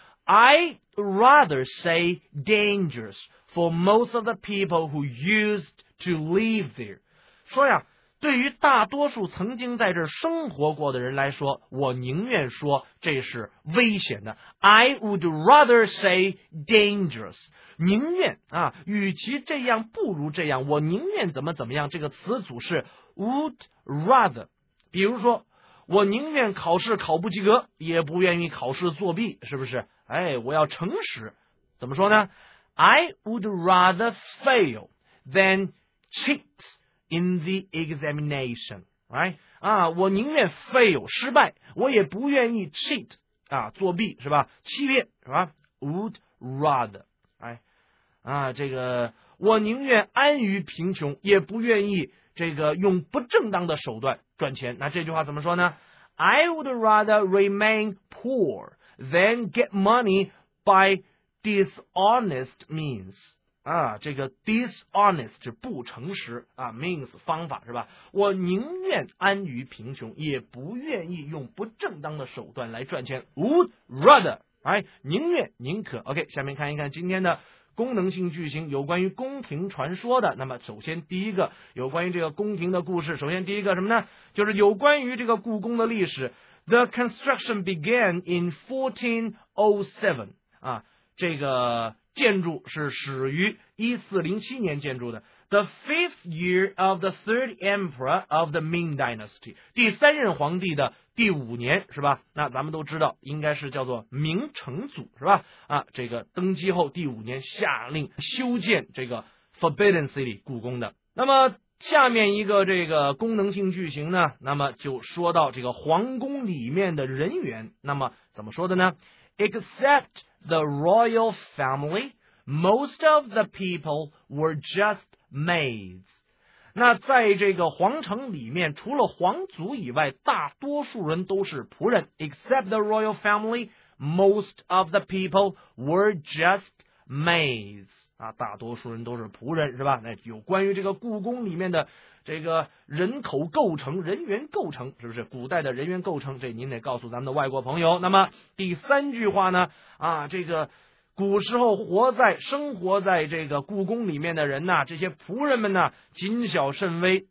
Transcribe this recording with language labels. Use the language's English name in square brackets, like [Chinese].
[English] I'd rather say dangerous for most of the people who usedto live there [Chinese] 说呀对于大多数曾经在这生活过的人来说我宁愿说这是危险的 [English] I would rather say dangerous [Chinese] 宁愿啊与其这样不如这样我宁愿怎么怎么样这个词组是 [English] would rather [Chinese] 比如说我宁愿考试考不及格，也不愿意考试作弊，是不是？哎，我要诚实。怎么说呢？ [English] I would rather fail than cheat in the examination, right? [Chinese] 啊，我宁愿 fail 失败，我也不愿意 cheat 啊，作弊是吧？欺骗是吧？ [English] Would rather, right? [Chinese] 啊，这个我宁愿安于贫穷，也不愿意这个用不正当的手段赚钱。那这句话怎么说呢？ [English] I would rather remain poor than get money by dishonest means. [Chinese] 啊，这个 dishonest 是不诚实啊， means 方法是吧？我宁愿安于贫穷，也不愿意用不正当的手段来赚钱。 [English] Would rather, right? [Chinese] 宁愿宁可。 OK, 下面看一看今天的功能性句型，有关于宫廷传说的。那么首先第一个有关于这个宫廷的故事，首先第一个什么呢？就是有关于这个故宫的历史。 [English] The construction began in 1407, [Chinese] 啊，这个建筑是始于1407年建筑的。 [English] The fifth year of the third emperor of the Ming Dynasty, [Chinese] 第三任皇帝的第五年是吧？那咱们都知道应该是叫做明成祖是吧？啊，这个登基后第五年下令修建这个 Forbidden City 故宫的。那么下面一个这个功能性句型呢，那么就说到这个皇宫里面的人员，那么怎么说的呢？ [English] Except the royal family, most of the people were just maids. [Chinese] 那在这个皇城里面，除了皇族以外，大多数人都是仆人。 [English] Except the royal family, most of the people were just maids. [Chinese] 啊，大多数人都是仆人，是吧？那有关于这个故宫里面的这个人口构成、人员构成，是不是古代的人员构成？这您得告诉咱们的外国朋友。那么第三句话呢？啊，这个古时候生活在这个故宫里面的人呢，这些仆人们呢，谨小慎微。